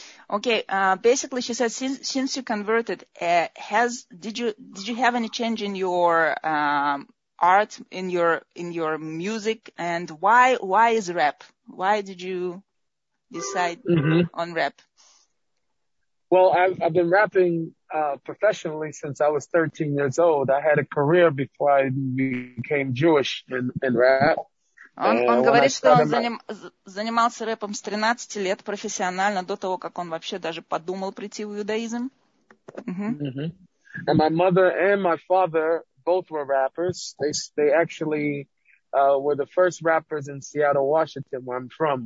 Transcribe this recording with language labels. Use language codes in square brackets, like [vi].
[en] Okay, basically she said since you converted, did you have any change in your art, in your music, and why is rap? Why did you decide on rap? Well, I've been rapping professionally since I was 13 years old. I had a career before I became Jewish in rap. [ru] Он говорит, что он занимался рэпом с 13 лет профессионально, до того, как он вообще даже подумал прийти в иудаизм. [en] And my mother and my father both were rappers. They actually were the first rappers in Seattle, Washington, where I'm from.